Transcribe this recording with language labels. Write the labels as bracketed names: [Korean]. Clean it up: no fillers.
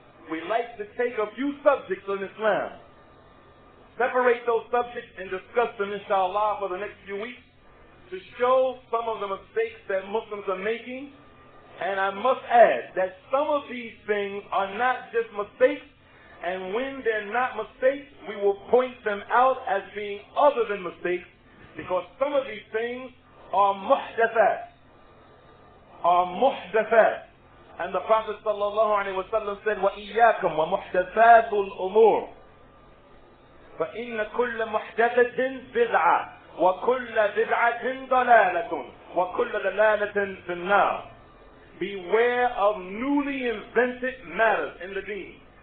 [English] We like to take a few subjects on Islam, separate those subjects and discuss them, inshallah, for the next few weeks to show some of the mistakes that Muslims are making. And I must add that some of these things are not just mistakes, and when they're not mistakes, we will point them out as being other than mistakes, because some of these things are muhdathat. Are muhdathat. And the Prophet sallallahu alayhi wa sallam said, [Arabic] وَإِيَّاكُمْ وَمُحْدَثَاتُ الْأُمُورِ فَإِنَّ كُلَّ مُحْدَثَةٍ بِدْعَةٍ وَكُلَّ بِدْعَةٍ ضَلَالَةٌ وَكُلَّ ضَلَالَةٍ فِي النَّارِ. [English] Beware of newly invented matters in the deen.